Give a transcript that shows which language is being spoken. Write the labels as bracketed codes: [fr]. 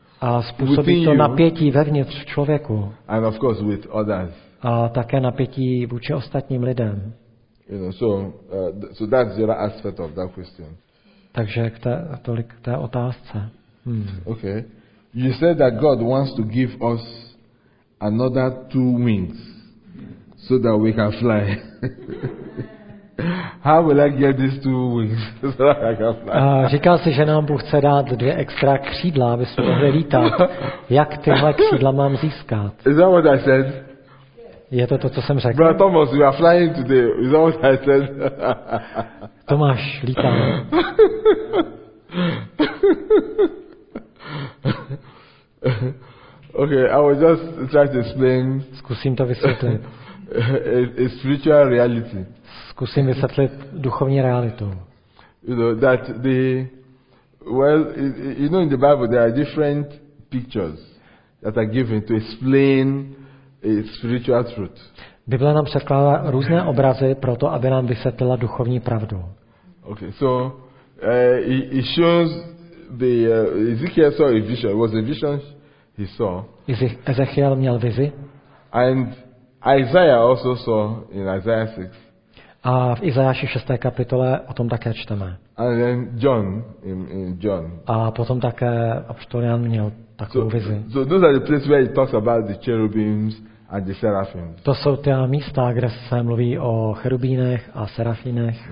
[cs] A způsobí to napětí vevnitř člověku. [en] And of course with others. [cs] A také napětí vůči ostatním lidem. [en] You know, so that's your aspect of that question. [cs] Takže tolik k té otázce. [en] Okay. You said that God wants to give us another two wings so that we can fly. How will I get these two wings so that I can fly? [cs] Říkal jsi, že nám Bůh chce dát dvě extra křídla, aby jsme mohli lítat. Jak tyhle křídla mám získat? [en] Is that what I said? [cs] Je to, co jsem řekl. [en] Brother Thomas, you are flying today. Is that what I said? [cs] Tomáš, lítám. [en] Okay, I will just try to explain. [cs] Zkusím to vysvětlit. [en] A spiritual reality. [cs] Zkusím vysvětlit duchovní realitu. [en] You know, that the Well, you know, in the Bible there are different pictures that are given to explain a spiritual truth. [cs] Bible nám předkládá různé obrazy proto, aby nám vysvětlila duchovní pravdu. [en] Okay, so it shows the Ezekiel saw a vision. It was a vision he saw. [cs] Ezechiel měl vizi. [en] And Isaiah also saw in Isaiah 6. [cs] A v Izajáši 6. kapitole o tom také čteme. [en] And then John, in John. [cs] A potom také apoštol Jan měl takovou vizi. [en] So those are the places where he talks about the cherubims and the seraphims. [cs] To jsou ta místa, kde se mluví o cherubínech a serafínech.